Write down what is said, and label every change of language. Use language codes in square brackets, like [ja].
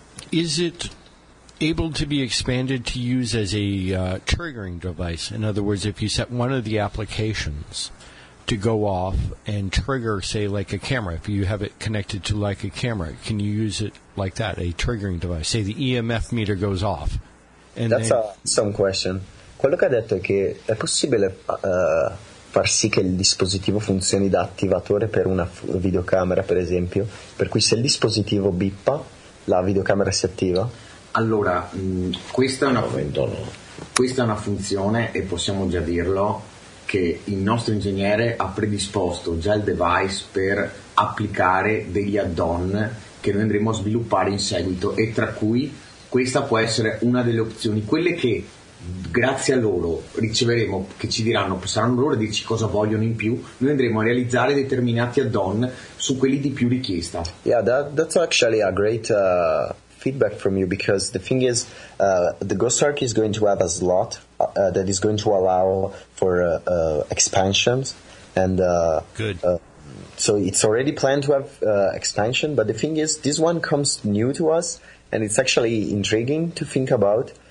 [en] Is it able to be expanded to use as a triggering device? In other words, if you set one of the applications to go off and trigger, say, like a camera, if you have it connected to like a camera, can you use it like that, a triggering device? Say the EMF meter goes off. And that's an awesome question. [it] Quello che ha detto è che è possibile far sì che il dispositivo funzioni da attivatore per una videocamera, per esempio, per cui se il dispositivo bippa, la videocamera si attiva? Allora, questa è una funzione, e possiamo già dirlo, che il nostro ingegnere ha predisposto già il device per applicare degli add-on che noi andremo a sviluppare in seguito, e tra cui questa può essere una delle opzioni, quelle che grazie a loro riceveremo, che ci diranno, saranno loro a dirci cosa vogliono in più, noi andremo a realizzare determinati add-on su quelli di più richiesta. [en] Yeah, that's actually a great feedback from you, because the thing is, the Ghost Arc is going to have a slot that is going to allow for expansions, and good. So it's already planned to have expansion, but the thing is, this one comes new to us, and it's actually intriguing to think about.